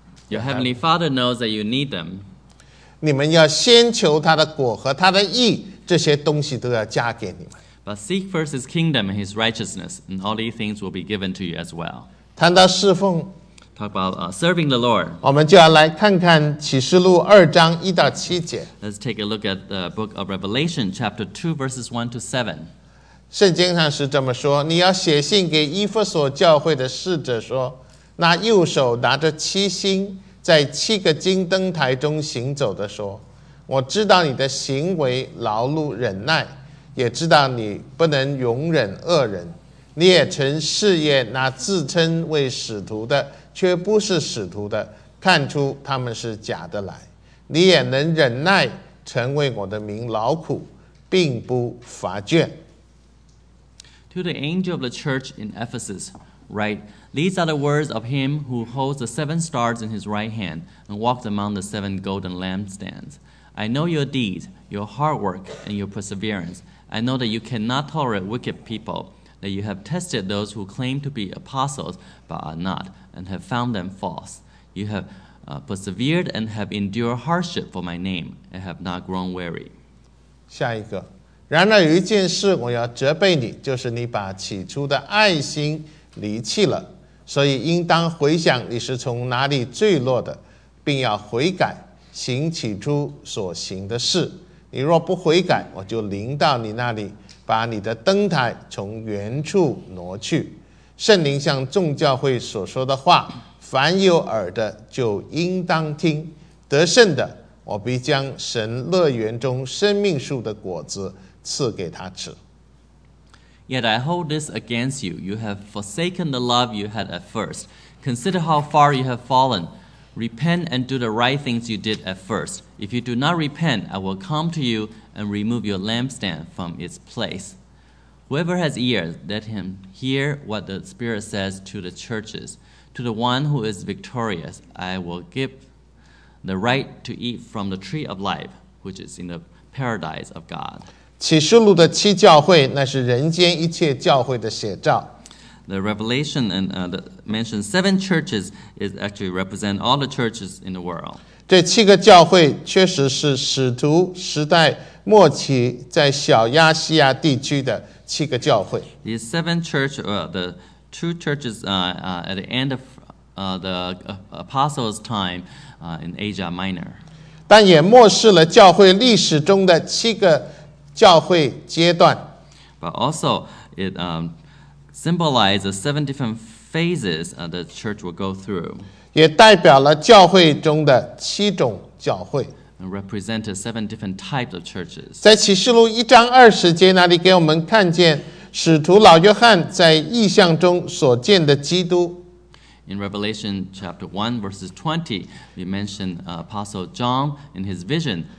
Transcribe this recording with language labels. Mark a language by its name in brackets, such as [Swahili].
[English] Your heavenly Father knows that you need them. [Chinese] 你们要先求他的果和他的义，这些东西都要加给你们。” [English] But seek first His kingdom and His righteousness, and all these things will be given to you as well. [Chinese] 谈到侍奉 [English] talk about serving the Lord. [Chinese] 我们就要来看看启示录2:1-7。 [English] Let's take a look at the book of Revelation, chapter 2:1-7. [Chinese] 圣经上是这么说：你要写信给以弗所教会的使者说，那右手拿着七星在七个金灯台中行走的说，我知道你的行为劳碌忍耐，也知道你不能容忍恶人。你也曾试验那自称为使徒的，却不是使徒的，看出他们是假的来。你也能忍耐，曾为我的名劳苦，并不乏倦。 [English] To the angel of the church in Ephesus, write, These are the words of him who holds the seven stars in his right hand and walks among the seven golden lampstands. I know your deeds, your hard work, and your perseverance. I know that you cannot tolerate wicked people, that you have tested those who claim to be apostles but are not, and have found them false. You have persevered and have endured hardship for my name, and have not grown weary. [Chinese] 下一个。然而有一件事我要责备你，就是你把起初的爱心离弃了。所以应当回想你是从哪里坠落的，并要悔改，行起初所行的事。你若不悔改，我就临到你那里，把你的灯台从原处挪去。圣灵向众教会所说的话，凡有耳的就应当听。得胜的，我必将神乐园中生命树的果子赐给他吃。 [English] Yet I hold this against you. You have forsaken the love you had at first. Consider how far you have fallen. Repent and do the right things you did at first. If you do not repent, I will come to you and remove your lampstand from its place. Whoever has ears, let him hear what the Spirit says to the churches. To the one who is victorious, I will give the right to eat from the tree of life, which is in the paradise of God. [Chinese] 启示录的七教会，那是人间一切教会的写照。 [English] The Revelation and the mentioned seven churches is actually represent all the churches in the world. [Chinese] 这七个教会确实是使徒时代末期在小亚细亚地区的七个教会。 [English] These seven churches, the two churches, at the end of the apostles' time, in Asia Minor. [Chinese] 但也漠视了教会历史中的七个。教会阶段 [English] but also it symbolizes seven different phases the church will go through. [Chinese] 也代表了教会中的七种教会 [English] and represented seven different types of churches. [Chinese] 在启示录一章二十节那里给我们看见使徒老约翰在异象中所见的基督。 [English] In Revelation chapter 1, verses 20, we mention Apostle John in his vision.